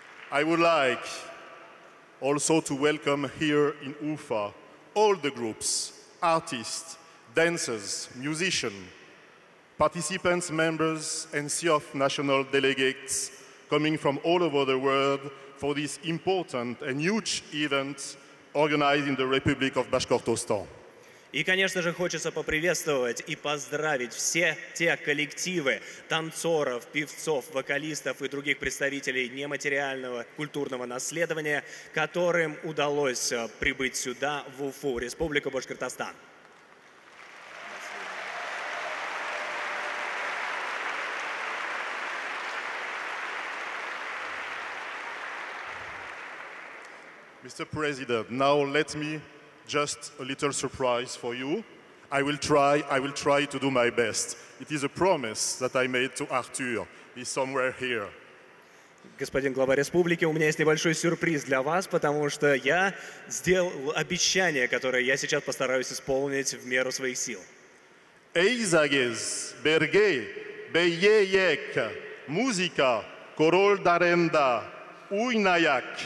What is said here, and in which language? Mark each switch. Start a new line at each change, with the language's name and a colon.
English: I would like also to welcome here in Ufa all the groups, artists, dancers, musicians, participants, members, and CIOFF national delegates coming from all over the world for this important and huge event organized in the Republic of Bashkortostan.
Russian: И, конечно же, хочется поприветствовать и поздравить все те коллективы танцоров, певцов, вокалистов и других представителей нематериального культурного наследования, которым удалось прибыть сюда, в Уфу, Республика Башкортостан.
English: Mr. President, now let me just a little surprise for you. I will try to do my best. It is a promise that I made to Arthur. He's somewhere here.
Russian: Господин глава республики, у меня есть небольшой сюрприз для вас, потому что я сделал обещание, которое я сейчас постараюсь исполнить в меру своих сил.
Bashkir: Эйзагез, берге, бейеек, музыка, король даренда, уйнаяк.